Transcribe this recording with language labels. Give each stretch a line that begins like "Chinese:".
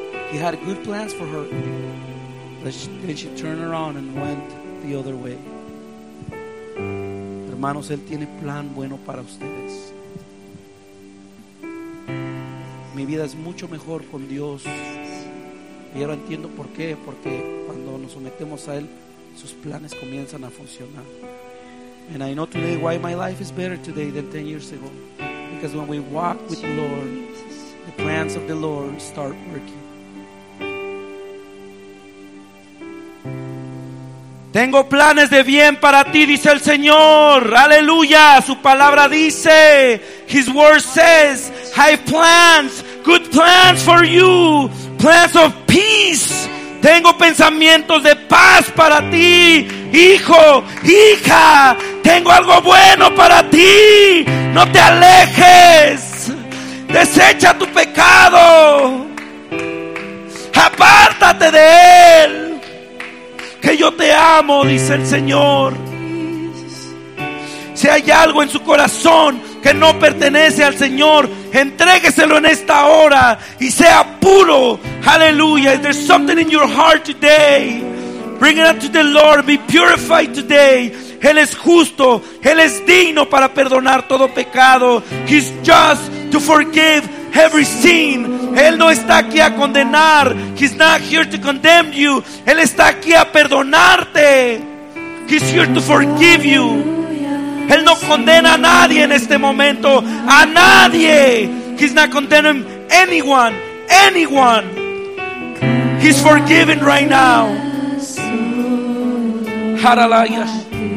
English: He had good plans for her, but then she turned around and went the other way.
Spanish: Hermanos, él tiene plan bueno para ustedes. Mi vida es mucho mejor con Dios. Y ahora entiendo por qué. Porque cuando nos sometemos a él, sus planes comienzan a funcionar.
English: And I know today why my life is better today than 10 years ago. Because when we walk with the Lord, the plans of the Lord start working.
Spanish: Tengo planes de bien para ti, dice el Señor. Aleluya. Su palabra dice,
English: His word says, I have plans, good plans for you, plans of peace.
Spanish: Tengo pensamientos de paz para ti, hijo, hija. Tengo algo bueno para ti. No te alejes. Desecha tu pecado. Apártate de él. Que yo te amo, dice el Señor. Si hay algo en su corazón que no pertenece al Señor, entrégueselo en esta hora y sea puro. Aleluya.
English: If there's something in your heart today, bring it unto the Lord. Be purified today.
Spanish: Él es justo, Él es digno para perdonar todo pecado.
English: He's just to forgive every sin.
Spanish: Él no está aquí a condenar.
English: He's not here to condemn you.
Spanish: Él está aquí a perdonarte.
English: He's here to forgive you.
Spanish: Él no condena a nadie en este momento. A nadie.
English: He's not condemning anyone. Anyone. He's forgiving right now. Hallelujah.